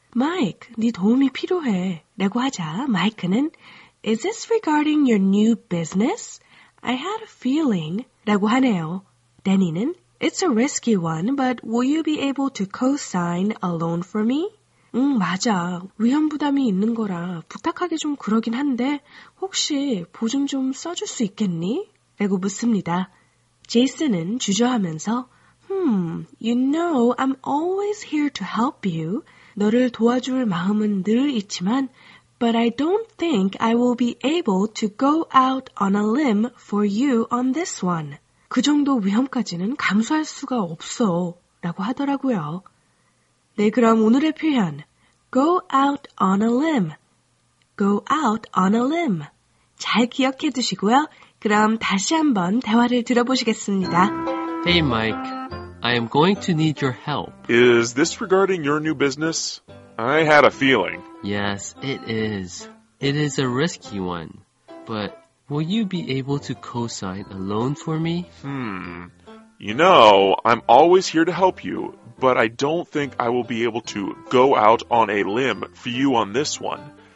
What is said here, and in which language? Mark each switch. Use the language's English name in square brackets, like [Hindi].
[Korean] Mike, 네 도움이 필요해. 라고 하자 Mike는, [English] Is this regarding your new business? I had a feeling. [Korean] 라고 하네요. [English] Danny는, It's a risky one, but will you be able to co-sign a loan for me? [Korean] 맞아. 위험 부담이 있는 거라 부탁하기 좀 그러긴 한데 혹시 보증 좀 써줄 수 있겠니? 라고 묻습니다. 제이슨은 주저하면서 [English] you know I'm always here to help you. [Korean] 너를 도와줄 마음은 늘 있지만 [English] but I don't think I will be able to go out on a limb for you on this one. [Korean] 그 정도 위험까지는 감수할 수가 없어 라고 하더라고요. 네, 그럼 오늘의 표현, [English] go out on a limb, go out on a limb. [Korean] 잘 기억해 두시고요. 그럼 다시 한번 대화를 들어보시겠습니다. [English] Hey, Mike, I am going to need your help. Is this regarding your new business? I had a feeling. Yes, it is. It is a risky one, but will you be able to co-sign a loan for me? You know, I'm always here to help you, but I don't think I will be able to go out on a limb for you on this one.